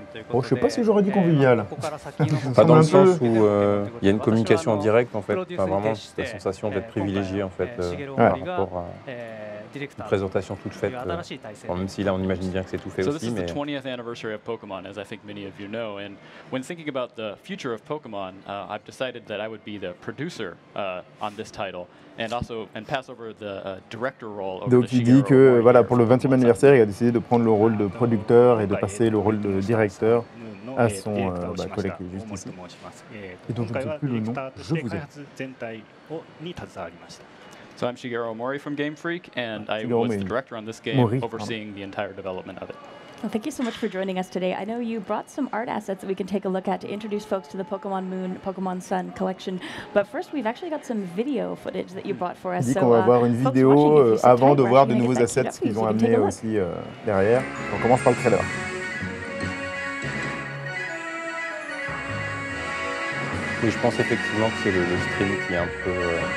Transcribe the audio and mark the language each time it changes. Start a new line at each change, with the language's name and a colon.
French: Bon, je sais pas si j'aurais dit convivial. Pas dans le sens où il y a une communication en direct, en fait. Enfin, vraiment, c'est la sensation d'être privilégié, en fait, par rapport à une présentation toute faite, enfin, même si là on imagine bien que c'est tout fait aussi, mais... C'est le
English: 20th anniversary of Pokémon, as I think many of you know, and when thinking about the future of Pokémon, I've decided that I would be the producer on this title, and also, and pass over the director role over.
French: Donc il dit que, voilà, pour le 20e anniversaire, il a décidé de prendre le rôle de producteur et de passer le rôle de directeur à son collègue qui est juste ici. Et donc je ne sais plus le nom, je vous aime.
English: So I'm Shigeru Omori from Game Freak, and I was the director on this game, Mori, overseeing the entire development of it. Well, thank you so much for joining us today. I know you brought some art assets that we can take a look at to introduce folks to the Pokémon Moon, Pokémon Sun collection. But first, we've actually got some video footage that you brought for us.
French: Dit qu'on va voir une vidéo avant de voir de nouveaux assets qu'ils vont amener aussi derrière. On commence par le trailer. Oui, je pense effectivement que c'est le stream qui est un peu...